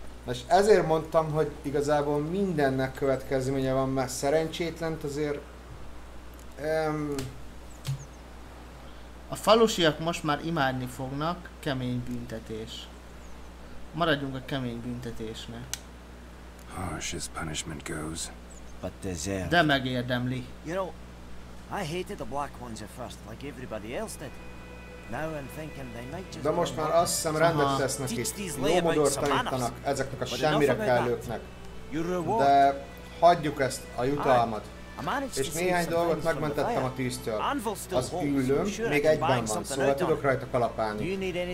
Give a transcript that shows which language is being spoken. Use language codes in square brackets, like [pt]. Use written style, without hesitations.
[hu] És ezért mondtam, hogy igazából mindennek következménye van, mert szerencsétlent azért... A falusiak most már imádni fognak, kemény büntetés. Maradjunk a kemény büntetésnek. [en] Harsh as punishment goes, but deserved. [hu] De megérdemli. [en] You know, I hated the black ones at first, like everybody else did. Now I'm thinking they might just... [hu] De most már azt hiszem rendet tesznek itt. Lomodort tanítanak ezeknek a semmire kellőknek. De hagyjuk ezt, a jutalmat. És néhány dolgot megmentettem a tűztől. Az üllőm még egyben van, szóval tudok rajta kalapálni.